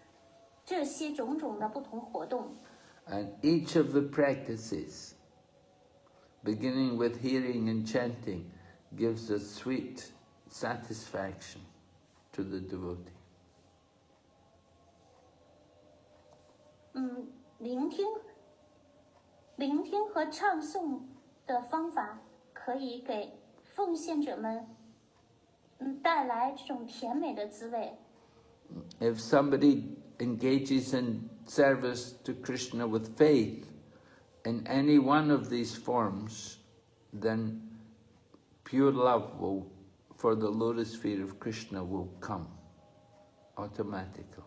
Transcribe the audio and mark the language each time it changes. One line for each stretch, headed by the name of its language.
Chinese: 但是奉献者们喜欢去享受到去喜欢去品尝到这9项奉献服务所带来的快乐，品尝这些种种的不同活动。
English: And each of the practices, beginning with hearing and chanting, gives a sweet satisfaction to the devotee.
Chinese: 聆听和唱诵的方法可以给奉献者们带来这种甜美的滋味。
English: If somebody engages in service to Krishna with faith in any one of these forms, then pure love for the lotus feet of Krishna will come automatically.